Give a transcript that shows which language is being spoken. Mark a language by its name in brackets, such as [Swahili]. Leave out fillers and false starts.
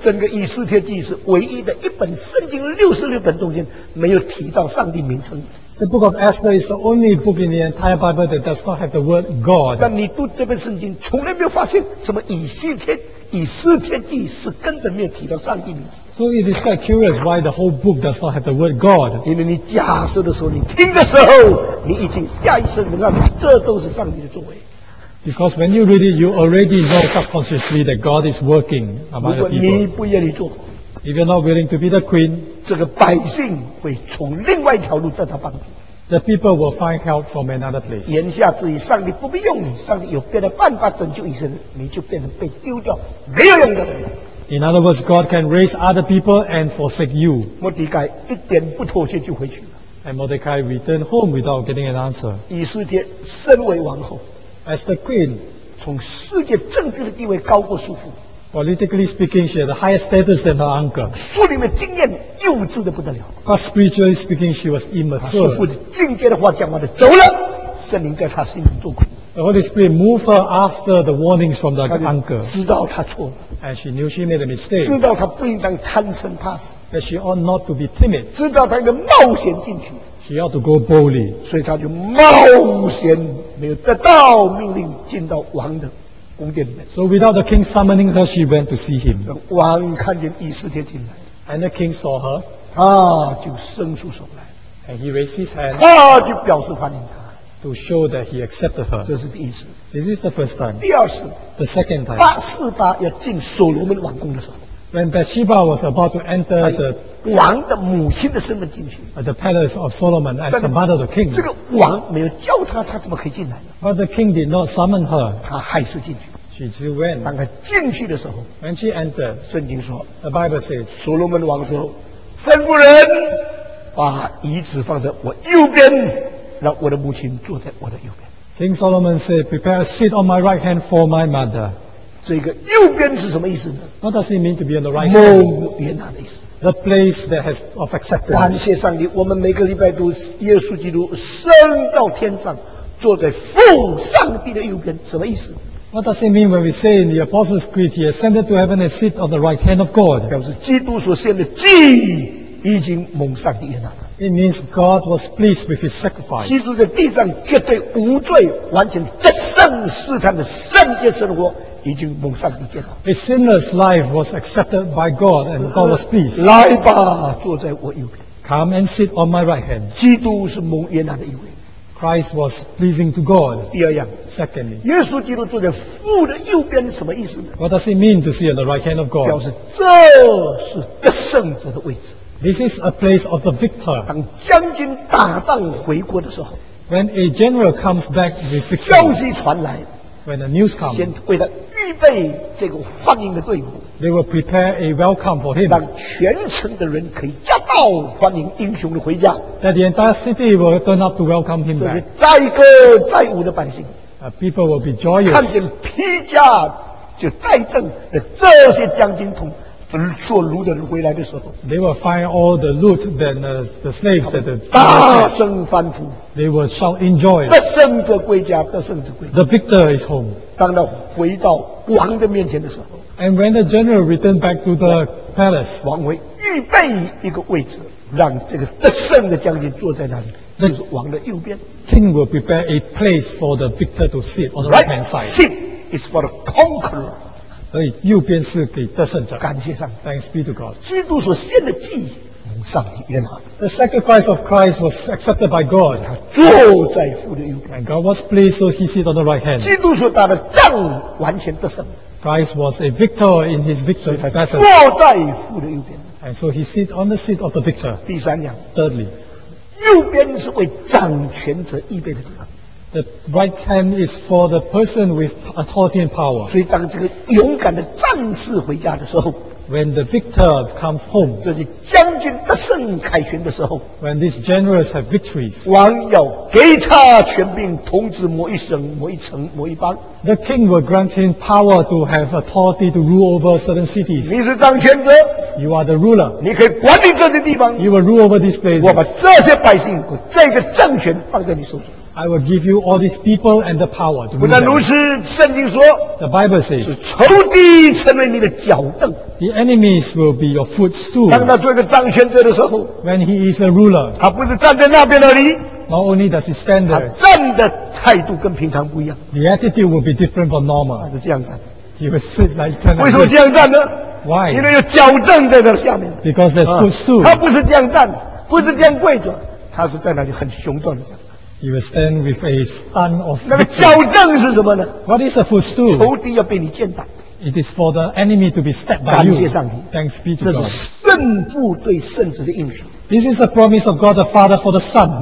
[Chinese] 整个以斯帖记是唯一的一本圣经66本中间没有提到上帝名称。 [English] The Book of Esther is the only book in the entire Bible that does not have the word God. [Chinese] 但你读这本圣经，从来没有发现什么以斯帖记是根本没有提到上帝名字。 [English] So it is quite curious why the whole book does not have the word God. [Chinese] 因为你假设的时候，你听的时候，你已经下意识地认为这都是上帝的作为。 [English] Because when you read it, you already know subconsciously that God is working among the people. [Chinese] 如果你不愿意做， [English] if you're not willing to be the queen, [Chinese] 这个百姓会从另外一条路得到帮助。 [English] The people will find help from another place. [Chinese] 言下之意，上帝不必用你，上帝有别的办法拯救一生，你就变成被丢掉，没有用的人。 [English] In other words, God can raise other people and forsake you. [Chinese] 莫迪凯一点不妥协就回去了。 [English] And Mordecai returned home without getting an answer. [Chinese] 以斯帖身为王后 [English] ，as the queen, [Chinese] 从世界政治的地位高过叔父。 [English] Politically speaking, she had a higher status than her uncle. [Chinese] 书里面经验幼稚的不得了。 [English] But spiritually speaking, she was immature. [Chinese] 师父的境界的话讲完了，走了，圣灵在她心里做工。 [English] The Holy Spirit moved her after the warnings from the uncle. [Chinese] 知道她错了。 [English] And she knew she made a mistake. [Chinese] 知道她不应当贪生怕死。 [English] That she ought not to be timid. [Chinese] 知道她应该冒险进去。 [English] She ought to go boldly. [Chinese] 所以她就冒险，没有得到命令，进到王的。 [English] So without the king summoning her, she went to see him. [Chinese] 王看见以斯帖进来。 [English] And the king saw her. [Chinese] 他就伸出手来。 [English] And he raised his hand. [Chinese] 他就表示欢迎他。 [English] To show that he accepted her. [Chinese] 这是第一次。 [English] This is the first time. [Chinese] 第二次。 [English] The second time. [Chinese] 巴士巴要进所罗门王宫的时候。 [English] When Bathsheba was about to enter the [Chinese] 王的母亲的身份进去 [English] the palace of Solomon as the mother of the king, [Chinese] 这个王没有叫他，他怎么可以进来呢？ [English] But the king did not summon her, [Chinese] 他还是进去。 [English] She still went. [Chinese] 当他进去的时候 [English] when she entered, [Chinese] 圣经说 [English] the Bible says, [Chinese] Solomon 王说，吩咐人把椅子放在我右边，让我的母亲坐在我的右边。 [English] King Solomon said, prepare a seat on my right hand for my mother. [Chinese] 这个右边是什么意思呢？ [English] What does it mean to be on the right hand? [Chinese] 蒙约拿的意思。 [English] The place that has of acceptance. [Chinese] 感谢上帝，我们每个礼拜都耶稣基督升到天上，坐在父上帝的右边，什么意思？ [English] What does it mean when we say in the Apostles' Creed, He ascended to heaven and sit on the right hand of God? [Chinese] 表示基督所献的祭已经蒙上帝悦纳了。 [English] It means God was pleased with His sacrifice. [Chinese] 基督在地上绝对无罪，完全战胜试探的圣洁生活。已经蒙上帝接纳。 [English] A sinless life was accepted by God, and God was pleased. [Chinese] 来吧，坐在我右边。 [English] Come and sit on my right hand. [Chinese] 基督是蒙悦纳的一位。 [English] Christ was pleasing to God. [Chinese] 第二样 [English] ，Secondly， [Chinese] 耶稣基督坐在父的右边，什么意思呢 [English] ？What does it mean to sit on the right hand of God？ [Chinese] 表示这是得胜者的位置。 [English] This is a place of the victor. [Chinese] 当将军打仗回国的时候 [English] ，When a general comes back with victory， [Chinese] 消息传来。 [English] When the news comes, [Chinese] 先为他预备这个欢迎的队伍。 [English] They will prepare a welcome for him. [Chinese] 让全城的人可以夹道欢迎英雄的回家。 [English] That the entire city will turn up to welcome him back. [Chinese] 这是载歌载舞的百姓。 [English] People will be joyous. [Chinese] 看见披甲就带阵的这些将军同所掳的人回来的时候 [English] ，They will find all the loot and the slaves that the [Chinese] 大声欢呼。 [English] They will shout in joy. [Chinese] 得胜者归家，得胜者归家。 [English] The victor is home. [Chinese] 当他回到王的面前的时候 [English] ，And when the general returned back to the palace, [Chinese] 王会预备一个位置，让这个得胜的将军坐在那里，就是王的右边。 [English] King will prepare a place for the victor to sit on the right hand side. Seat is for the conqueror. [Chinese] 所以右边是给得胜者。感谢上帝。 [English] Thanks be to God. [Chinese] 基督所献的祭蒙上帝悦纳。 [English] The sacrifice of Christ was accepted by God. [Chinese] 他坐在父的右边。 [English] And God was pleased, so He sat on the right hand. [Chinese] 基督所打的仗完全得胜。 [English] Christ was a victor in His victory battle. [Chinese] 坐在父的右边。 [English] And so He sat on the seat of the victor. [Chinese] 第三样。 [English] Thirdly, [Chinese] 右边是为掌权者预备的地方。 [English] The right hand is for the person with authority and power. [Chinese] 所以当这个勇敢的战士回家的时候 [English] ，When the victor comes home， [Chinese] 这些将军得胜凯旋的时候 [English] ，When these generals have victories， [Chinese] 王要给他权柄，统治某一省、某一城、某一邦。 [English] The king will grant him power to have authority to rule over certain cities. [Chinese] 你是掌权者 [English] ，You are the ruler. [Chinese] 你可以管理这些地方 [English] ，You will rule over this place. [Chinese] 我把这些百姓和这个政权放在你手中。 [English] I will give you all these people and the power to rule. [Chinese] 不但如此，圣经说 [English] ，The Bible says， [Chinese] 是仇敌成为你的脚凳。 [English] The enemies will be your footstool. [Chinese] 当他做一个掌权者的时候 [English] ，When he is a ruler， [Chinese] 他不是站在那边而已。 [English] Not only does he stand there， [Chinese] 他站的态度跟平常不一样。 [English] The attitude will be different from normal. [Chinese] 他是这样站。 [English] He will sit like that. [Chinese] 为什么这样站呢 [English] ？Why？ [Chinese] 因为有脚凳在那下面。 [English] Because there's footstool. [Chinese] 他不是这样站，不是这样跪着，他是在那里很雄壮的站。 [English] You will stand with a stand of victory. [Chinese] 那个矫正是什么呢 [English] ？What is a footstool? [Chinese] 仇敌要被你践踏。 [English] It is for the enemy to be stepped by you. [Chinese] 感谢上帝。 [English] Thanks be to God. [Chinese] 这是圣父对圣子的应许。 [English] This is the promise of God the Father for the Son.